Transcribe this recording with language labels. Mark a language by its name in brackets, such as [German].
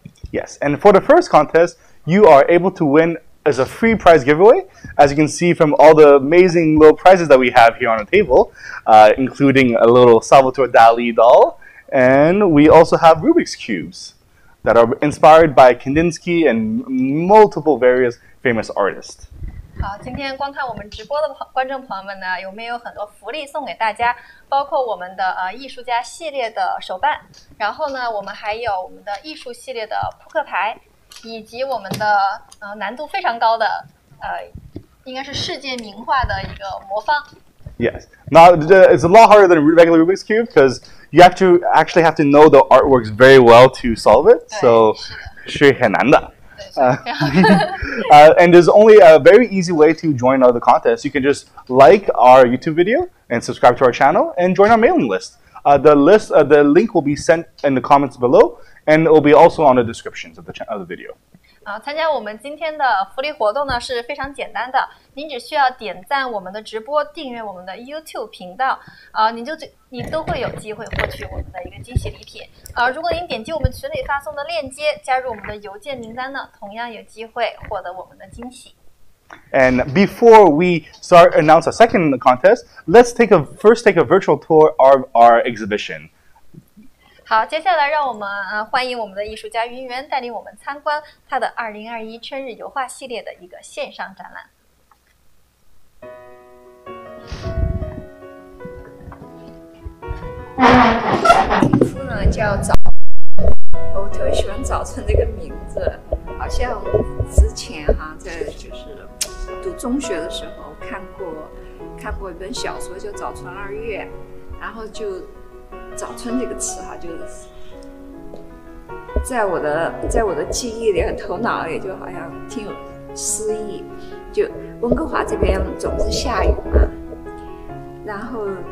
[English] Yes, and for the first contest, you are able to win as a free prize giveaway, as you can see from all the amazing little prizes that we have here on the table, including a little Salvatore Dali doll, and we also have Rubik's Cubes that are inspired by Kandinsky and multiple various... famous artist. [Chinese] 好，今天观看我们直播的观众朋友们呢，有没有很多福利送给大家？包括我们的艺术家系列的手办，然后呢，我们还有我们的艺术系列的扑克牌，以及我们的难度非常高的应该是世界名画的一个魔方。 [English] Yes, now it's a lot harder than a regular Rubik's cube because you have to actually have to know the artworks very well to solve it. [Chinese] So, 是很难的。 [English] and there's only a very easy way to join the contest. You can just like our YouTube video and subscribe to our channel and join our mailing list. The link will be sent in the comments below and it will be also on the descriptions of the video. [Chinese] 参加我们今天的福利活动呢是非常简单的，您只需要点赞我们的直播，订阅我们的 YouTube 频道，你都会有机会获取我们的一个惊喜礼品。如果您点击我们群里发送的链接，加入我们的邮件名单呢，同样有机会获得我们的惊喜。 [English] And before we start announce a second contest, let's take a virtual tour of our exhibition. [Chinese] 好，接下来让我们欢迎我们的艺术家云云带领我们参观他的2021春日油画系列的一个线上展览。皮肤呢叫早，我特别喜欢早晨这个名字，好像之前哈、在就是读中学的时候看过一本小说叫《早春二月》，然后就早春这个词哈就在我的记忆里和头脑里就好像挺有诗意，就温哥华这边总是下雨嘛，然后。